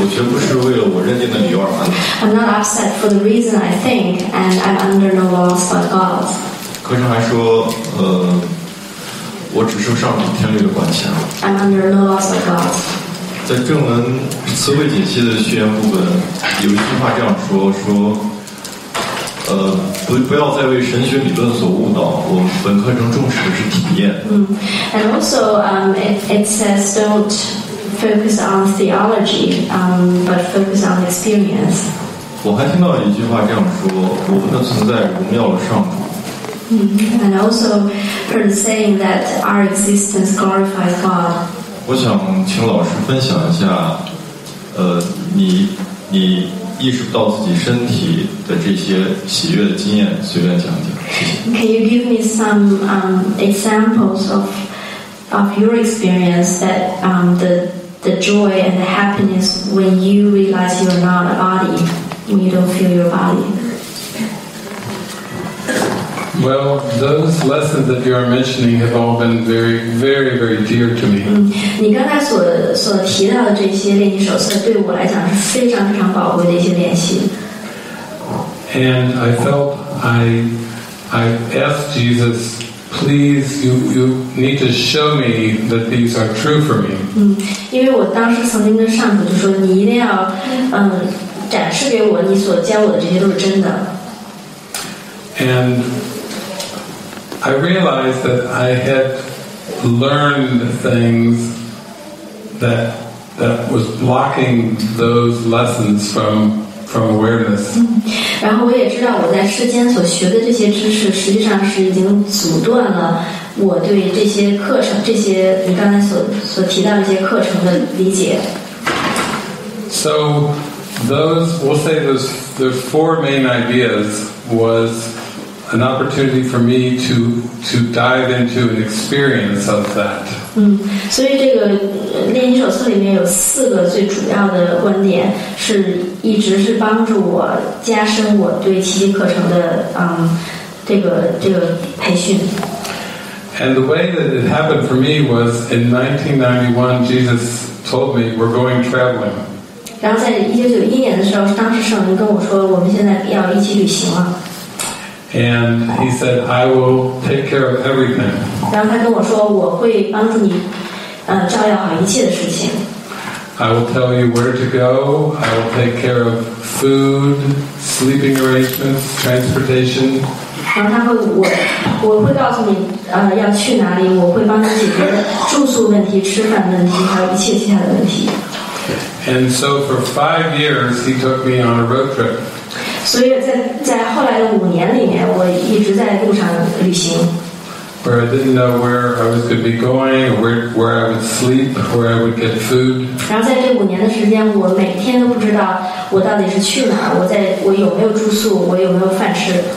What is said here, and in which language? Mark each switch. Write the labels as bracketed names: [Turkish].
[Chinese] 第二个是我绝不是为了我认定的理由而烦恼。 [English] I'm not upset for the reason I think, and I'm under no laws but God's. [Chinese] 课程还说，我只受上主天律的管辖。 [English] I'm under no laws but God's. [Chinese] 在正文词汇解析的序言部分，有一句话这样说：说，不要再为神学理论所误导，我们本课程重视的是体验。 [English] And also, it says don't. Focus on theology, but focus on experience. [Chinese] 我还听到一句话这样说：我们的存在荣耀了上主。 [English] And also heard saying that our existence glorifies God. [Chinese] 我想请老师分享一下，你意识不到自己身体的这些喜悦的经验，随便讲讲。 [English] Can you give me some examples of your experience that the joy and the happiness when you realize you are not a body, when you don't feel your body? Well, those lessons that you are mentioning have all been very, very, very dear to me. [Chinese] 你刚才所提到的这些练习手册对我来讲是非常非常宝贵的一些练习。 [English] And I felt I asked Jesus,Please, you need to show me that these are true for me. [Chinese] 因为我当时曾经跟上主就说，你一定要展示给我，你所教我的这些都是真的。 [English] And I realized that I had learned things that was blocking those lessons from awareness. [Chinese] 然后我也知道我在世间所学的这些知识实际上是已经阻断了我对这些课程这些你刚才所提到的一些课程的理解。 [English] So those, we'll say those four main ideas was an opportunity for me to dive into an experience of that. [Chinese] 所以这个练习手册里面有四个最主要的观点是一直是帮助我加深我对奇迹课程的这个培训。 [English] And the way that it happened for me was in 1991, Jesus told me, we're going traveling. [Chinese] 然后在1991年的时候，当时圣灵跟我说，我们现在要一起旅行了。 [English] And he said, I will take care of everything. [Chinese] 然后他跟我说，我会帮助你照料好一切的事情。 [English] I will tell you where to go. I will take care of food, sleeping arrangements, transportation. [Chinese] 然后他会我会告诉你要去哪里，我会帮你解决住宿问题、吃饭问题，还有一切其他的问题。 [English] And so for 5 years, he took me on a road trip. [Chinese] 所以在后来的五年里面，我一直在路上旅行。 [English] Where I didn't know where I was going to be going, or where I would sleep, or where I would get food. [Chinese] 然后在这五年的时间，我每天都不知道我到底是去哪，我有没有住宿，我有没有饭吃。